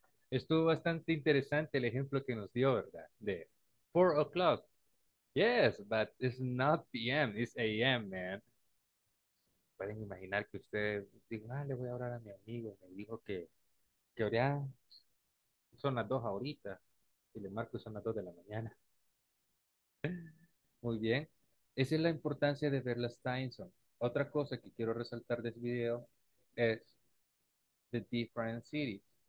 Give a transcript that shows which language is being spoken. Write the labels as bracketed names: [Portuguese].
[Spanish] Estuvo bastante interesante el ejemplo que nos dio, ¿verdad? De 4 o'clock. [English] Yes, but it's not p.m., it's a.m., man. [Spanish] Pueden imaginar que usted diga, ah, le voy a hablar a mi amigo, me dijo que ahora son las 2 ahorita, y le marco son las 2 de la mañana. Muy bien. Esa es la importancia de ver las time zones. Otra cosa que quiero resaltar de este video es [English] the different cities.